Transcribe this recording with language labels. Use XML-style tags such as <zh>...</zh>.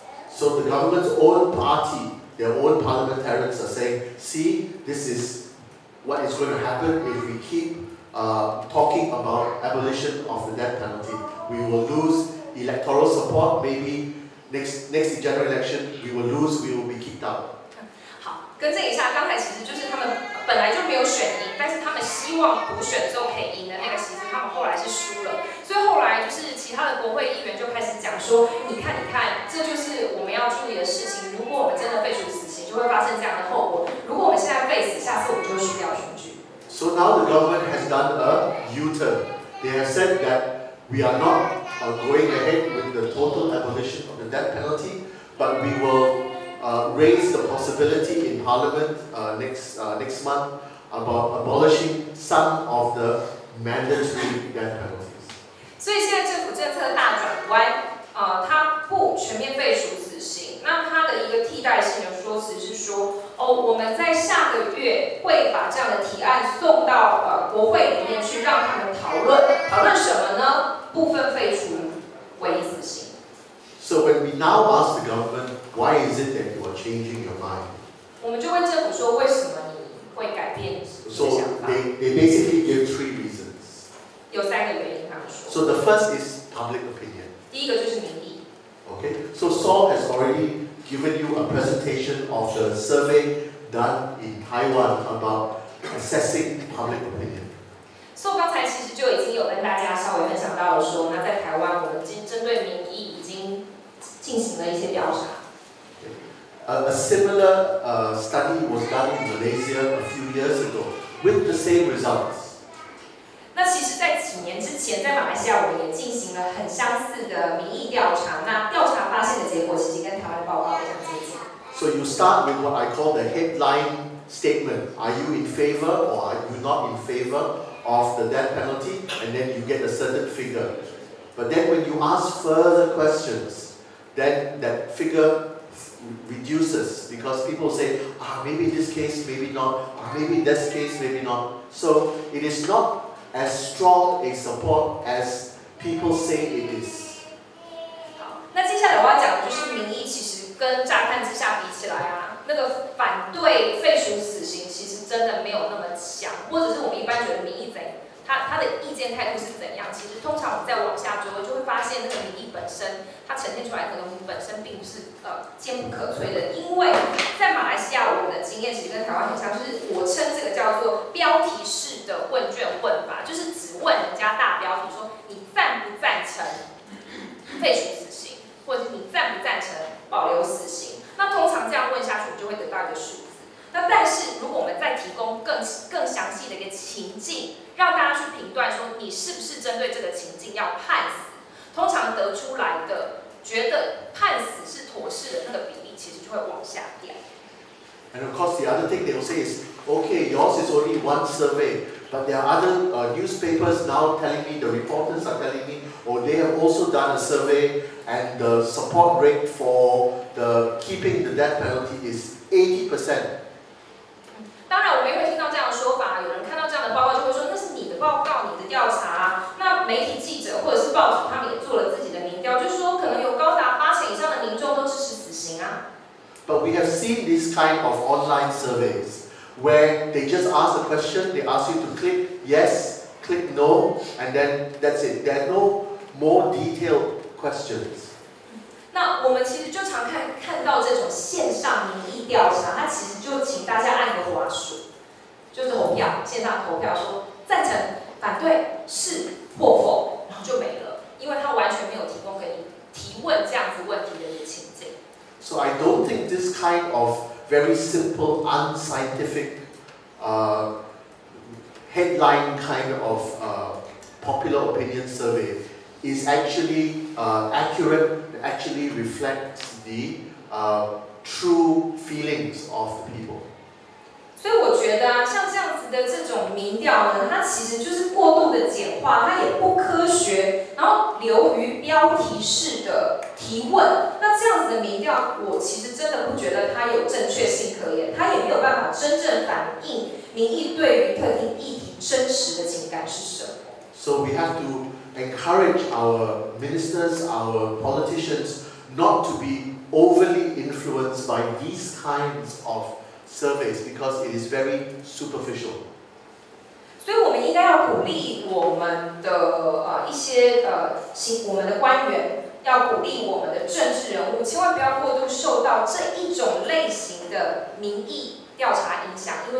<en>So the government's own party, their own parliamentarians are saying, see, this is what is going to happen if we keep. Talking about abolition of the death penalty, we will lose electoral support. Maybe next general election, we will lose. We will be kicked out.</en> <zh>好，更正一下，刚才其实就是他们本来就没有选赢，但是他们希望补选之后可以赢的那个席次，他们后来是输了。所以后来就是其他的国会议员就开始讲说，你看，你看，这就是我们要注意的事情。如果我们真的废除死刑，就会发生这样的后果。如果我们现在废死，下次我们就会输掉选举。</zh> <en>So now the government has done a U-turn. They have said that we are not going ahead with the total abolition of the death penalty, but we will raise the possibility in parliament next month about abolishing some of the mandatory death penalties.</en> <zh>所以现在政府政策大转弯，他不全面废除死刑，那他的一个替代性的说辞是说，哦，我们在下个月会把这样的提案送到国会里面去，让他们讨论。讨论什么呢？部分废除唯一死刑。</zh> <en>So when we now ask the government, why is it that you are changing your mind?</en> <zh>我们就问政府说，为什么你会改变你的想法？</zh> <en>So they basically give three reasons.</en> <zh>有三个原因，他们说。</zh> <en>So the first is public opinion.</en> <zh>第一个就是民意。</zh> <en>Okay, so Saul has already given you a presentation of the survey done in Taiwan about assessing public opinion.</en> <zh>所以刚才其实就已经有跟大家稍微分享到了说，那在台湾我们针对民意已经进行了一些调查。</zh> <en>A similar study was done in Malaysia a few years ago with the same results.</en> <zh>那其实，在几年之前，在马来西亚我们也进行了很相似的民意调查。那调查发现的结果其实跟台湾的报告非常接近。</zh> <en>So you start with what I call the headline statement: Are you in favor or are you not in favor? Of the death penalty, and then you get a certain figure. But then, when you ask further questions, then that figure reduces because people say, "Ah, maybe this case, maybe not. Ah, maybe this case, maybe not." So it is not as strong a support as people say it is.</en> <zh>好，那接下来我要讲的就是民意，其实跟乍看之下比起来啊。那个反对废除死刑其实真的没有那么强，或者是我们一般觉得民意怎样，他的意见态度是怎样，其实通常我们再往下追，就会发现那个民意本身它呈现出来的东西本身并不是坚不可摧的。因为在马来西亚我们的经验其实跟台湾很像，就是我称这个叫做标题式的问卷问法，就是只问人家大标题说你赞不赞成废除死刑，或者你赞不赞成保留死刑。那通常这样问下去，我们就会得到一个数字。那但是如果我们再提供更详细的一个情境，让大家去评断说你是不是针对这个情境要判死，通常得出来的觉得判死是妥适的那个比例，其实就会往下掉。</zh> <en>And of course, the other thing they'll say is, okay, yours is only one survey, but there are other newspapers now telling me, the reporters are telling me, or they have also done a survey. And the support rate for the keeping the death penalty is 80%.</en> <zh>当然，我们也会听到这样的说法。有人看到这样的报告，就会说那是你的报告，你的调查。那媒体记者或者是报纸，他们也做了自己的民调，就说可能有高达80%以上的民众都支持死刑啊。</zh> <en>But we have seen this kind of online surveys where they just ask a question, they ask you to click yes, click no, and then that's it. There are no more detailed. Questions.</en> <zh>那我们其实就常看到这种线上民意调查，它其实就请大家按个滑鼠，就是投票，线上投票说赞成、反对、是或否，然后就没了，因为它完全没有提供可以提问这样子问题的一个情境。</zh> <en>So I don't think this kind of very simple, unscientific, headline kind of popular opinion survey. Is actually accurate, actually reflects the true feelings of the people.</en> <zh>所以我觉得啊，像这样子的这种民调呢，它其实就是过度的简化，它也不科学，然后流于标题式的提问。那这样子的民调，我其实真的不觉得它有正确性可言，它也没有办法真正反映民意对于特定议题真实的情感是什么。</zh> <en>So we have to. Encourage our ministers, our politicians, not to be overly influenced by these kinds of surveys because it is very superficial. So we should encourage our ministers, our politicians, our government officials, not to be overly influenced by these kinds of surveys because it is very superficial.</en>